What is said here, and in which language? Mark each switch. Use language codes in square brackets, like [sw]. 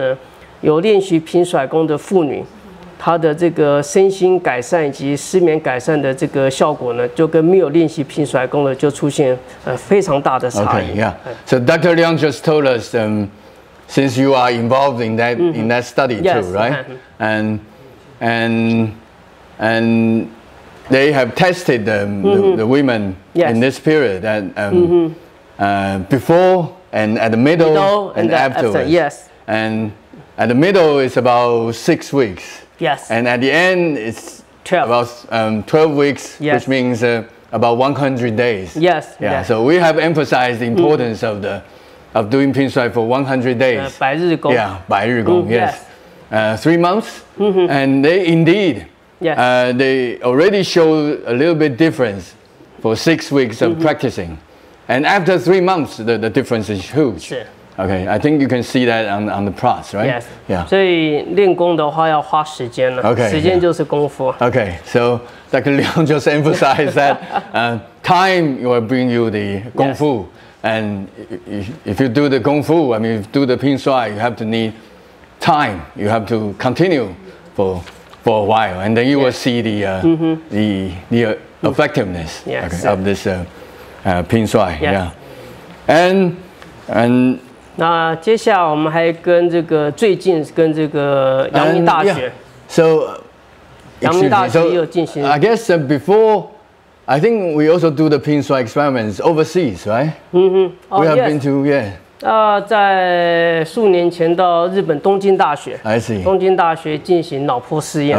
[zh] 它的主要的过程是这样，第一个就是在三个月的练习当中呢，大概练习到一个半月的时候，然后这个有练习平甩功的和没有练习平甩功的就会出现开始出现差异。然后当他练习到三个月的时候呢，有练习平甩功的妇女， 他的这个身心改善以及失眠改善的这个效果呢，就跟没有练习平甩功的就出现非常大的差异。 [en] Okay, yeah. So Dr. Liang just told us, since you are involved in that in that study too, yes, right? And they have tested the women in this period that before and at the middle and afterwards. Yes. And at the middle is about 6 weeks. Yes. And at the end it's 12. About 12 weeks, yes. Which means about 100 days. Yes. Yeah. Yes. So we have emphasized the importance of doing Pingshuai for 100 days. [zh] 白日功. [en] Yeah, [zh] 白日功. [en] Yes. Yes. 3 months. Mm-hmm. And they indeed, yes. They already show a little bit difference for 6 weeks of mm-hmm. practicing. And after 3 months, the difference is huge. [zh] 是. [en] Okay, I think you can see that on the plus, right? Yes. Yeah. [zh] 所以练功的话要花时间了, [en] okay, [zh] 时间就是功夫.Yeah. [en] Okay, so Dr. Liang just emphasized that time will bring you the Kung Fu. Yes. And if you do the Kung Fu, I mean, if you do the Pingshuai, you have to need time. You have to continue for a while. And then you will see the mm-hmm. the effectiveness mm-hmm. okay, yes. of this Pingshuai. Yes. Yeah. And [zh] 那接下来我们还跟这个最近跟这个阳明大学 [en] yeah. So [zh] 阳明大学也有进行 [en] so, I guess before I think we also do the Pingshuai experiments overseas, right? Mm-hmm. We have yes. been to yeah [zh] 在数年前到日本东京大学 [en] I see [zh] 东京大学进行脑波试验